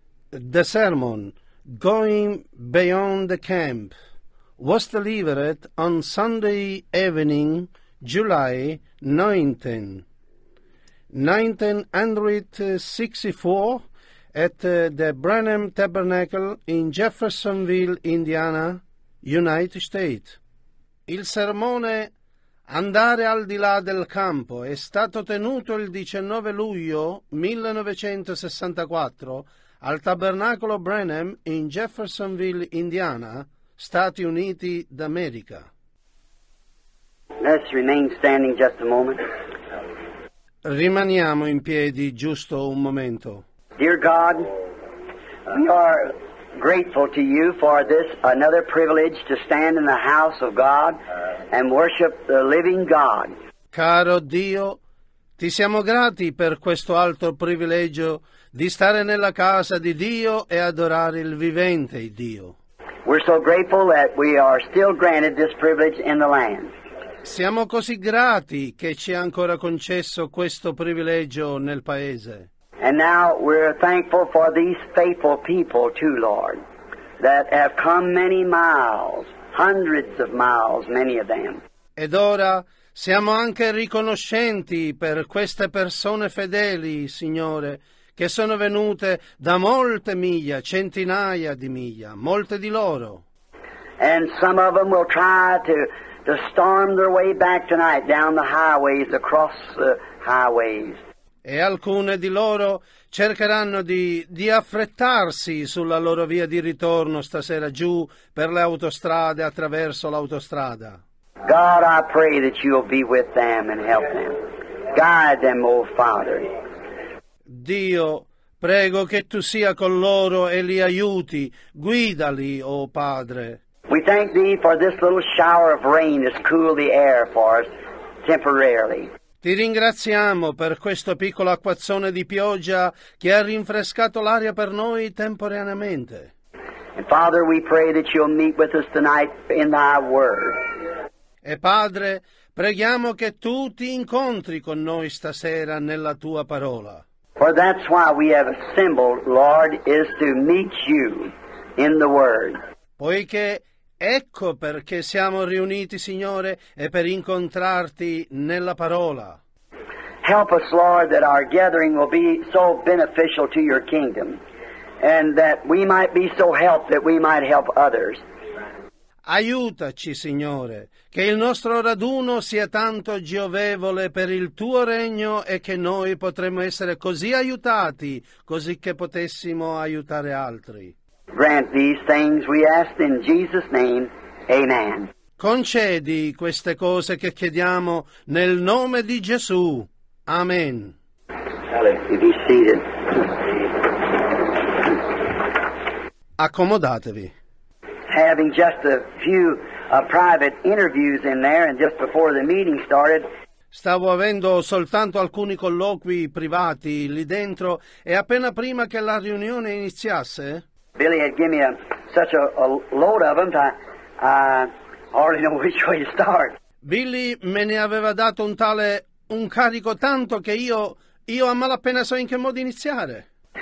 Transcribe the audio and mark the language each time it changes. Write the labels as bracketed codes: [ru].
[en] The sermon, Going Beyond the Camp, was delivered on Sunday evening, July 19, 1964, at the Branham Tabernacle in Jeffersonville, Indiana, United States. [it] Il sermone Andare al di là del campo è stato tenuto il 19 luglio 1964 al Tabernacolo Branham in Jeffersonville, Indiana, Stati Uniti d'America. [en] Let's remain standing just a moment. [it] Rimaniamo in piedi giusto un momento. [en] Dear God, we are grateful to you for this another privilege to stand in the house of God and worship the living God. [it] Caro Dio, ti siamo grati per questo altro privilegio di stare nella casa di Dio e adorare il vivente Dio. [en] We're so grateful that we are still granted this privilege in the land. [it] Siamo così grati che ci è ancora concesso questo privilegio nel paese. [en] And now we're thankful for these faithful people too, Lord, that have come many miles, hundreds of miles, many of them. [it] Ed ora siamo anche riconoscenti per queste persone fedeli, Signore, che sono venute da molte miglia, centinaia di miglia, molte di loro. [en] And some of them will try to storm their way back tonight down the highways, across the highways. [it] E alcune di loro cercheranno di affrettarsi sulla loro via di ritorno stasera giù per le autostrade, attraverso l'autostrada. [en] God, I pray that you will be with them and help them. Guide them, O Father. [it] Dio, prego che tu sia con loro e li aiuti. Guidali, O Padre. [en] We thank thee for this little shower of rain that's cooled the air for us temporarily. [it] Ti ringraziamo per questo piccolo acquazzone di pioggia che ha rinfrescato l'aria per noi temporaneamente. [en] And Father, we pray that you'll meet with us tonight in thy word. [it] E Padre, preghiamo che tu ti incontri con noi stasera nella tua parola. [en] For that's why we have assembled, Lord, is to meet you in the word. [it] Poiché ecco perché siamo riuniti, Signore, e per incontrarti nella parola. [en] Help us, Lord, that our gathering will be so beneficial to your kingdom, and that we might be so helped that we might help others. [it] Aiutaci, Signore, che il nostro raduno sia tanto giovevole per il tuo regno e che noi potremmo essere così aiutati, così che potessimo aiutare altri. [en] Grant these things we ask in Jesus' name. Amen. [it] Concedi queste cose che chiediamo nel nome di Gesù. Amen. [en] Be seated. [it] Accomodatevi. [en] Having just a few private interviews in there and just before the meeting started. [it] Stavo avendo soltanto alcuni colloqui privati lì dentro e appena prima che la riunione iniziasse. [en] Billy had given me such a load of them, I already know which way to start. [it] Billy me ne aveva dato un carico tanto che io a malapena so in che modo iniziare.